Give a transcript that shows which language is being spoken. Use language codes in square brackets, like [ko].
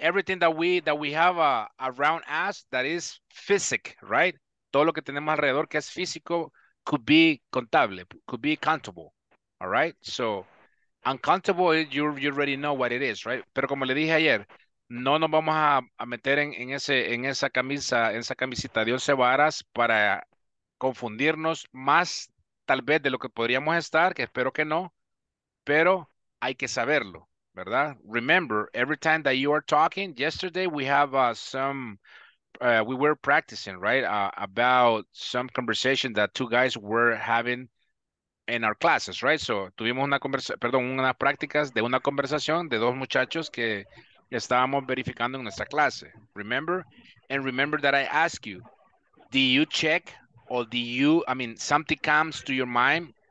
[en] Everything that we have around us that is physic, right? [es] Todo lo que tenemos alrededor que es físico [en] could be countable, could be countable. All right. So uncountable, you already know what it is, right? [es] Pero como le dije ayer, no nos vamos a meter en esa camisita de once varas para confundirnos más tal vez de lo que podríamos estar, que espero que no, pero hay que saberlo. ¿Verdad? [en] Remember, every time that you are talking, yesterday we have we were practicing, right? About some conversation that two guys were having in our classes, right? [es] So, tuvimos unas prácticas de una conversación de dos muchachos que estábamos verificando en nuestra clase. [en] Remember? And remember that I ask you, do you check or do you, I mean, something comes to your mind?